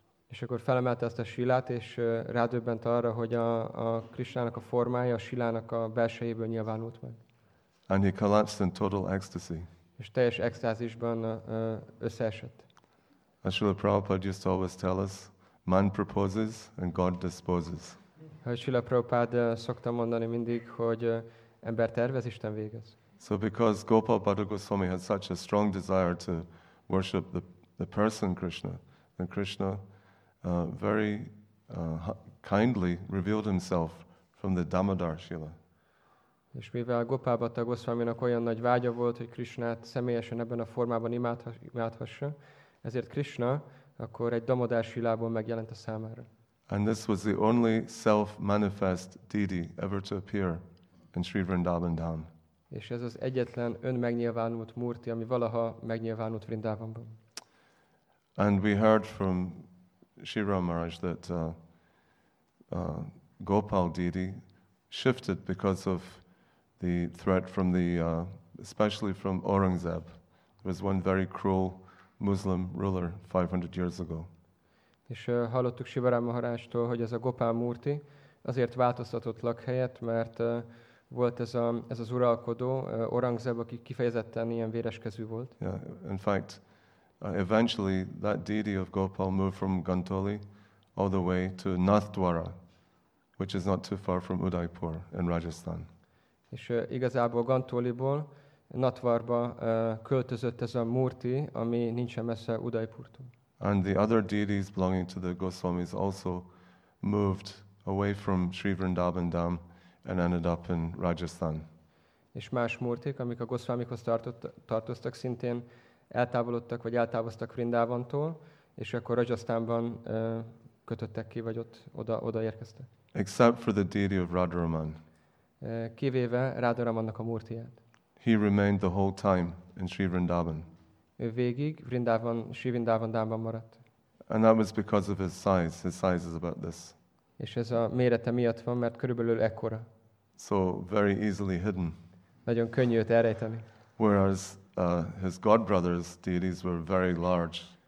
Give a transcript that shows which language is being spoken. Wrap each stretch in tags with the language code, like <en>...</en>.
<hu>És akkor felemelte ezt a sílát, és rádöbbent arra, hogy a Krishnának a formája a sílának a belsejéből nyilvánult meg.</hu> <en>And he collapsed in total ecstasy.</en> <hu>És teljes extázisban összeesett.</hu> <en>As Srila Prabhupada used to always tell us, man proposes and God disposes.</en> <hu>Srila Prabhupada szokta mondani mindig, hogy ember tervez, Isten végez.</hu> <en>So because Gopal Bhatta Goswami had such a strong desire to worship the person Krishna, then Krishna very kindly revealed himself from the Damodar Shila.</en> <hu>És mivel Gopal Bhatta Goswaminak olyan nagy vágya volt, hogy Krishnát személyesen ebben a formában imádhassa, ezért Krishna akkor egy Damodar Shilából megjelent a számára.</hu> <en>And this was the only self-manifest deity ever to appear in Sri Vrindavan Dham.</en> <hu>És ez az egyetlen önmegnyilvánult murti, ami valaha megnyilvánult Vrindavanban.</hu> <en>And we heard from Sri Ram Maharaj that Gopal Didi shifted because of the threat from the, especially from Aurangzeb. There was one very cruel Muslim ruler 500 years ago.</en> <hu>És hallottuk Sri Ram Maharajtól, hogy ez a Gopal Murti azért változtatott lakhelyet, mert volt ez az uralkodó, Aurangzeb, aki kifejezetten ilyen véreskezű volt.</hu> <en>Yeah, in fact, eventually that deity of Gopal moved from Gantoli all the way to Nathdwara, which is not too far from Udaipur in Rajasthan.</en> <hu>És igazából Gantoliból Nathdwarba költözött ez a Murti, ami nincsen messze Udaipurtól.</hu> <en>And the other deities belonging to the Goswamis also moved away from Sri Vrindavan Dham and ended up in Rajasthan.</en> <hu>És más murtik, amik a Goswamikhoz tartoztak, szintén eltávolodtak vagy eltávoztak Vrindávantól, és akkor Rajasthanban kötöttek ki, vagy ott oda érkeztek.</hu> <en>Except for the deity of Radharaman.</en> <hu>Kivéve Radharamannak a murtiját.</hu> <en>He remained the whole time in Sri Vrindavan.</en> <hu>Ő végig Vrindavan, Sri Vrindavanban maradt.</hu> <en>And that was because of his size. His size is about this.</en> <hu>És ez a mérete miatt van, mert körülbelül ekkora.</hu> <en>So very easily hidden.</en> <hu>Nagyon könnyű őt elrejteni.</hu> <en>Whereas his godbrothers' deities were very large.</en>